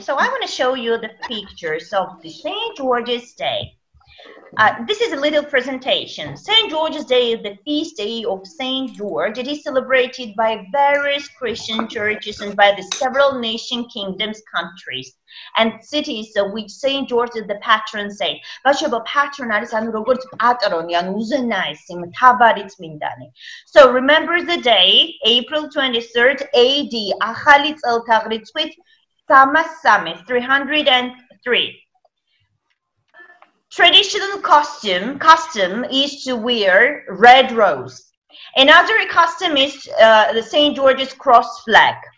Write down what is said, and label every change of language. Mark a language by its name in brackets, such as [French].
[English] So I want to show you the pictures of the St. George's Day. This is a little presentation. St. George's Day is the feast day of St. George. It is celebrated by various Christian churches and by the several nation kingdoms, countries, and cities of which St. George is the patron saint. [Georgian] ბავშვობა პატრონ არის ანუ როგორც პატრონი, ანუ უზენაესი მთავარი წმინდანი. [English] So remember the day, April 23rd AD, [Georgian] ახალი წელთაღრიცხვით [English] 303. Traditional custom is to wear red rose. Another custom is the St. George's cross flag.